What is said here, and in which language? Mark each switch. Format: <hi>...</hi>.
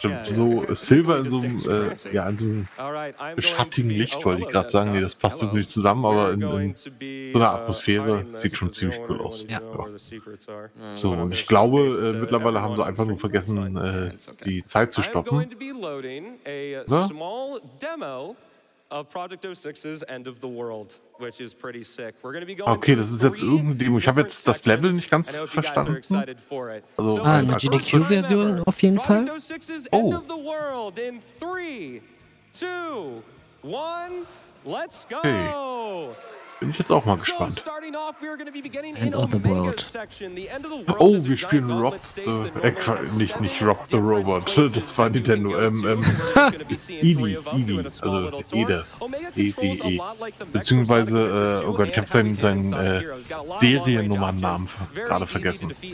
<de>So Silver in so einem, in so einem schattigen Licht, wollte ich gerade sagen. Nee, das passt so nicht zusammen, aber in so einer Atmosphäre sieht schon ziemlich cool aus. Ja. Ja. So, und ich glaube, mittlerweile haben sie einfach nur vergessen, die Zeit zu stoppen. Ja?</de> <en>Of Project 06's End of the World, which is pretty sick. We're gonna be going.</en> <de>Okay, das ist jetzt irgendein Demo. Ich habe jetzt das Level nicht ganz verstanden. Also, eine GDQ-Version auf jeden Fall. Oh.</de> <en>End of the World in 3, 2, 1, let's go! Okay.</en> <de>Bin ich jetzt auch mal gespannt.</de> <en>End of the World.</en> <de>Oh, wir spielen Rob the... nicht Rob the Robot. Das war Nintendo. Edie. Also Ede. E-D-E. Beziehungsweise, oh Gott, ich hab seinen Seriennummernnamen gerade vergessen.</de>